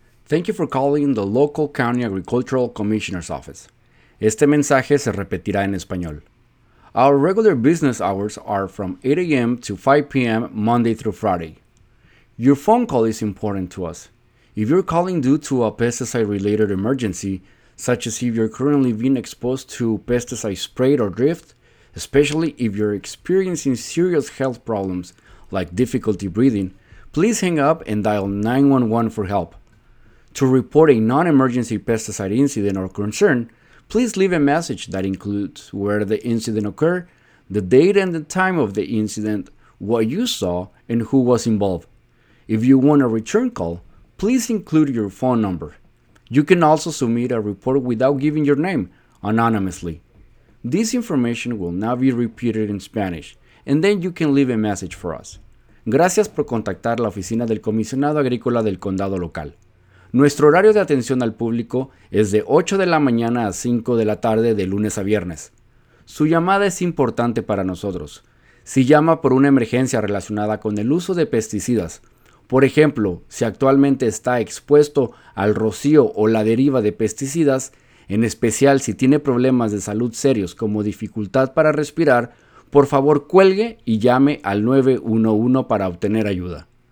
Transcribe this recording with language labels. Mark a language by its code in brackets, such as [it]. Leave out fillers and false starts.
[en] Thank you for calling the local county agricultural commissioner's office. [es] Este mensaje se repetirá en español. [en] Our regular business hours are from 8 a.m. to 5 p.m. Monday through Friday. Your phone call is important to us. If you're calling due to a pesticide-related emergency, such as if you're currently being exposed to pesticide spray or drift, especially if you're experiencing serious health problems like difficulty breathing, please hang up and dial 911 for help. To report a non-emergency pesticide incident or concern, please leave a message that includes where the incident occurred, the date and the time of the incident, what you saw, and who was involved. If you want a return call, please include your phone number. You can also submit a report without giving your name, anonymously. This information will now be repeated in Spanish, and then you can leave a message for us. [es] Gracias por contactar la oficina del comisionado agrícola del condado local. Nuestro horario de atención al público es de 8 de la mañana a 5 de la tarde de lunes a viernes. Su llamada es importante para nosotros. Si llama por una emergencia relacionada con el uso de pesticidas, por ejemplo, si actualmente está expuesto al rocío o la deriva de pesticidas, en especial si tiene problemas de salud serios como dificultad para respirar, por favor cuelgue y llame al 911 para obtener ayuda.